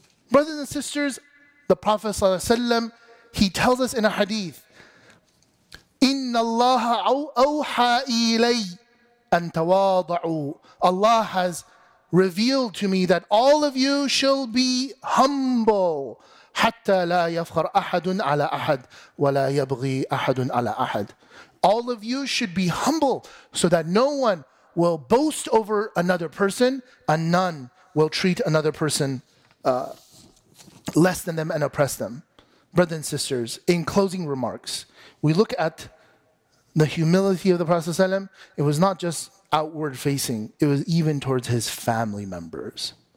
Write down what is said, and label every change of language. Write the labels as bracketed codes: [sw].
[en] Brothers and sisters, the Prophet ﷺ, he tells us in a hadith, [ar] إِنَّ اللَّهَ أَوْحَى إِلَيْ أَن تَوَاضَعُوا. [en] Allah has revealed to me that all of you shall be humble. [ar] حتى لا يفخر أحد على أحد ولا يبغي أحد على أحد. [en] All of you should be humble so that no one will boast over another person and none will treat another person less than them and oppress them. Brothers and sisters, in closing remarks, we look at the humility of the Prophet ﷺ. It was not just outward facing, it was even towards his family members.